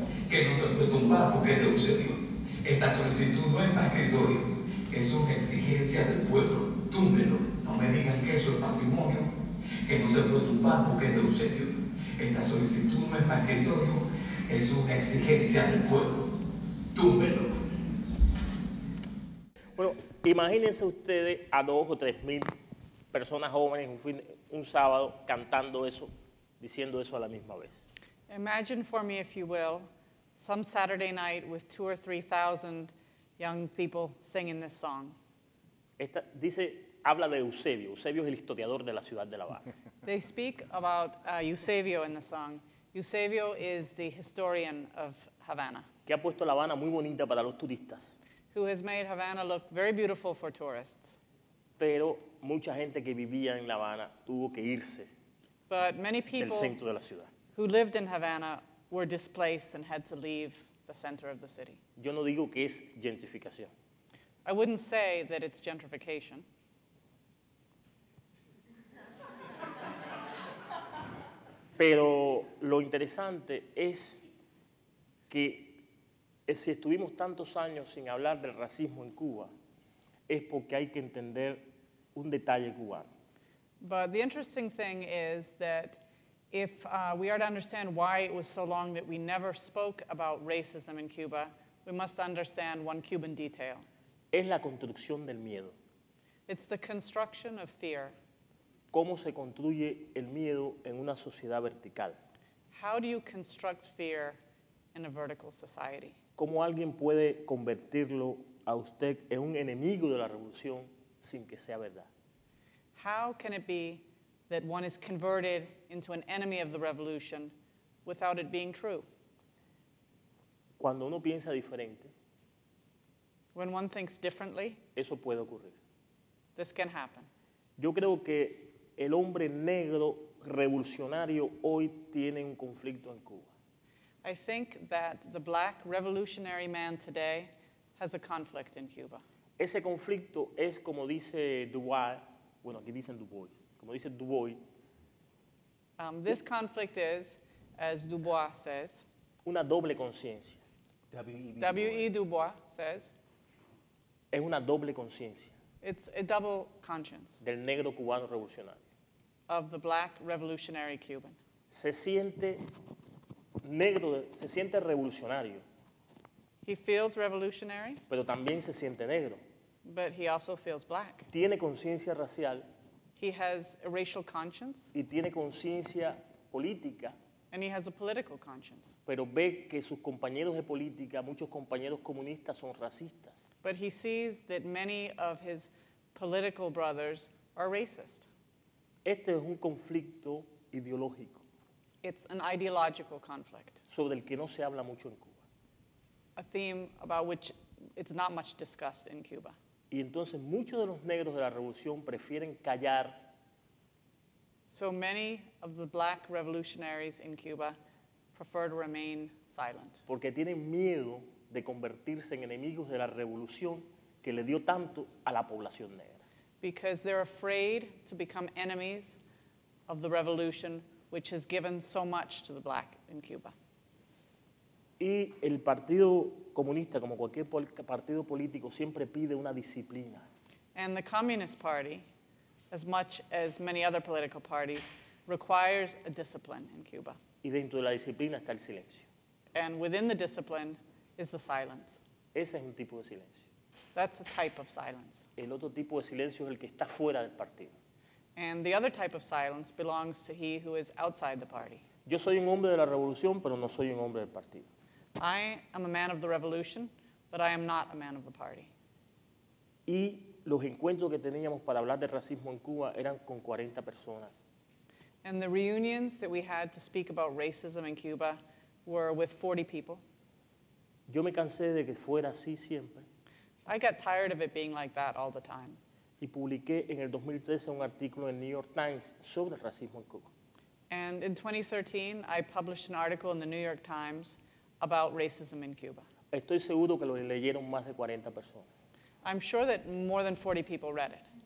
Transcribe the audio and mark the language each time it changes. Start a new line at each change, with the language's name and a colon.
Spanish: que no se puede tumbar porque es de Eusebio, esta solicitud no es para escritorio, es una exigencia del pueblo, túmbelo, no me digan que eso es patrimonio, que no se puede tumbar porque es de Eusebio, esta solicitud no es para escritorio, es una exigencia del pueblo. Túmbelo. Bueno, imagínense ustedes a 2 o 3 mil personas jóvenes un sábado cantando eso, diciendo eso a la misma vez.
English: Imagine for me, if you will, some Saturday night with 2 or 3 thousand young people singing this song.
Spanish: Esta dice, habla de Eusebio. Eusebio es el historiador de la ciudad de La Habana.
English: They speak about Eusebio in the song. Eusebio is the historian of Havana.
Spanish: Que ha puesto La Habana muy bonita para los turistas.
English: Who has made Havana look very beautiful for tourists.
Spanish: Pero mucha gente que vivía en La Habana tuvo que irse.
English: But many people
Spanish: del centro de la ciudad.
English: Who lived in Havana were displaced and had to leave the center of the city.
Spanish: Yo no digo que es gentrificación.
English: I wouldn't say that it's gentrification.
Spanish: Pero lo interesante es que si estuvimos tantos años sin hablar del racismo en Cuba, es porque hay que entender un detalle cubano.
English: But the interesting thing is that if we are to understand why it was so long that we never spoke about racism in Cuba, we must understand one Cuban detail.
Spanish: Es la construcción del miedo.
English: It's the construction of fear.
Spanish: ¿Cómo se construye el miedo en una sociedad vertical?
English: How do you construct fear in a vertical society?
Spanish: ¿Cómo alguien puede convertirlo a usted en un enemigo de la revolución sin que sea verdad?
English: How can it be that one is converted into an enemy of the revolution without it being true?
Spanish: Cuando uno piensa diferente,
English: when one thinks differently,
Spanish: eso puede ocurrir.
English: This can happen.
Spanish: Yo creo que el hombre negro revolucionario hoy tiene un conflicto en Cuba.
English: I think that the black revolutionary man today has a conflict in Cuba.
Spanish: Ese conflicto es como dice Du Bois, bueno, aquí dicen Du Bois, como dice Du Bois.
English: This conflict is, as Dubois says,
Spanish: una doble conciencia.
English: W.E. Dubois says,
Spanish: es una doble conciencia.
English: It's a double conscience.
Spanish: Del negro cubano revolucionario.
English: Of the black revolutionary Cuban.
Spanish: Se siente negro, se siente revolucionario.
English: He feels revolutionary.
Spanish: Pero también se siente negro.
English: But he also feels black.
Spanish: Tiene conciencia racial.
English: He has a racial conscience.
Spanish: Y tiene conciencia política.
English: And he has a political conscience.
Spanish: Pero ve que sus compañeros de política, muchos compañeros comunistas, son racistas.
English: But he sees that many of his political brothers are racist.
Spanish: Este es un conflicto ideológico.
English: It's an ideological conflict.
Spanish: Sobre el que no se habla mucho en Cuba.
English: A theme about which it's not much discussed in Cuba.
Spanish: Y entonces muchos de los negros de la revolución prefieren callar.
English: So many of the black revolutionaries in Cuba prefer to remain silent.
Spanish: Porque tienen miedo de convertirse en enemigos de la revolución que le dio tanto a la población negra.
English: Because they're afraid to become enemies of the revolution which has given so much to the black in Cuba.
Spanish: Y el Partido Comunista, como cualquier partido político, siempre pide una disciplina.
English: And the Communist Party, as much as many other political parties, requires a discipline in Cuba.
Spanish: Y dentro de la disciplina está el silencio.
English: And within the discipline is the silence.
Spanish: Ese es un tipo de silencio.
English: That's a type of silence.
Spanish: El otro tipo de silencio es el que está fuera del partido.
English: And the other type of silence belongs to he who is outside the party.
Spanish: Yo soy un hombre de la revolución, pero no soy un hombre del partido.
English: I am a man of the revolution, but I am not a man of the party.
Spanish: Y los encuentros que teníamos para hablar de racismo en Cuba eran con 40 personas.
English: And the reunions that we had to speak about racism in Cuba were with 40 people.
Spanish: Yo me cansé de que fuera así siempre.
English: I got tired of it being like that all the time.
Spanish: Y publiqué en el 2013 un artículo en New York Times sobre racismo en Cuba.
English: And in 2013, I published an article in the New York Times about racism in Cuba.
Spanish: Estoy seguro que lo leyeron más de 40 personas.
English: I'm sure that more than 40 people read it.